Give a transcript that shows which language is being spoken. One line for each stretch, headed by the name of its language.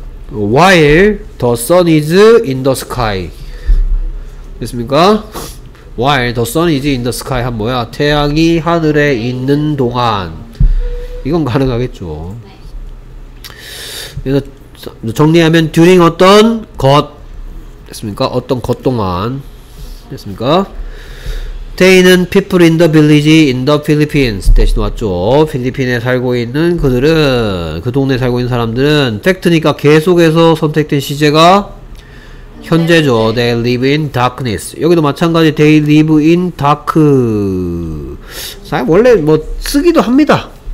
English: while the sun is in the sky
Korean: 됐습니까?
English: while the sun is in the sky
Korean: 한 뭐야? 태양이 하늘에 있는 동안 이건 가능하겠죠. 그래서 정리하면 during 어떤 것 됐습니까? 어떤 것 동안 됐습니까?
English: They는 people in the village in the Philippines
Korean: 대신 왔죠. 필리핀에 살고 있는 그들은 그 동네에 살고 있는 사람들은 팩트니까 계속해서 선택된 시제가 현재죠.
English: They live in darkness.
Korean: 여기도 마찬가지
English: They live in dark
Korean: 원래 뭐 쓰기도 합니다.